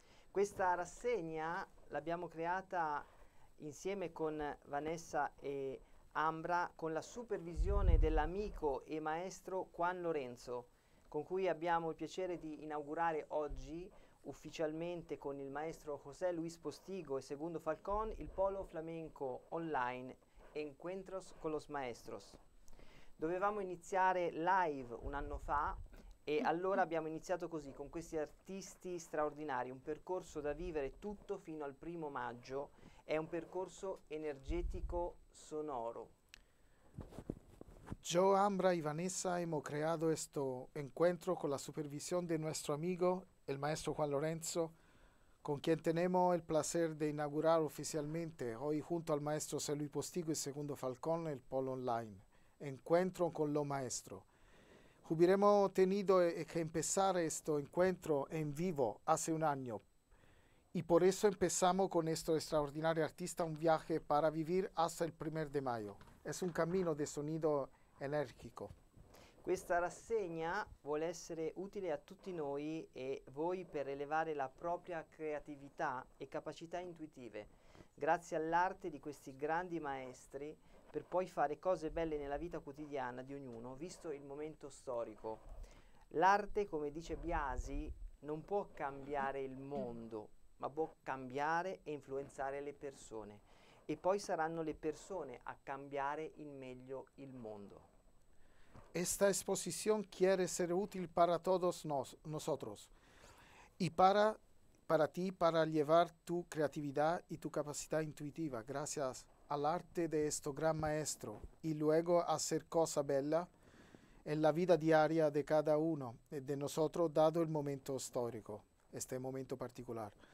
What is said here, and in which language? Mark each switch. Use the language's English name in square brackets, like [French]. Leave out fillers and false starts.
[Italian] Questa rassegna l'abbiamo creata insieme con Vanessa e Ambra con la supervisione dell'amico e maestro Juan Lorenzo, con cui abbiamo il piacere di inaugurare oggi ufficialmente con il maestro José Luis Postigo e Segundo Falcón il Polo Flamenco Online Encuentros con los Maestros. Dovevamo iniziare live un anno fa. E allora abbiamo iniziato così, con questi artisti straordinari, un percorso da vivere tutto fino al 1º maggio. È un percorso energetico sonoro. [Spanish] Yo, Ambra y Vanessa hemos creado este encuentro con la supervisión de nuestro amigo, el maestro Juan Lorenzo, con quien tenemos el placer de inaugurar oficialmente hoy junto al maestro José Luis Postigo y Segundo Falcón el Polo Online. encuentro con lo maestro. Hubiéramos tenido que empezar este encuentro en vivo hace un año. Y por eso empezamos con este extraordinario artista un viaje para vivir hasta el 1° de mayo. Es un camino de sonido enérgico. [Italian] Questa rassegna vuole essere utile a tutti noi e voi per elevare la propria creatività e capacità intuitive, grazie all'arte di questi grandi maestri, per poi fare cose belle nella vita quotidiana di ognuno, visto il momento storico. L'arte, come dice Biasi, non può cambiare il mondo, ma può cambiare e influenzare le persone. E poi saranno le persone a cambiare in meglio il mondo. [Spanish] Esta exposición quiere ser útil para todos nosotros y para ti, para llevar tu creatividad y tu capacidad intuitiva, gracias al arte de este gran maestro, y luego hacer cosa bella en la vida diaria de cada uno de nosotros, dado el momento histórico, este momento particular.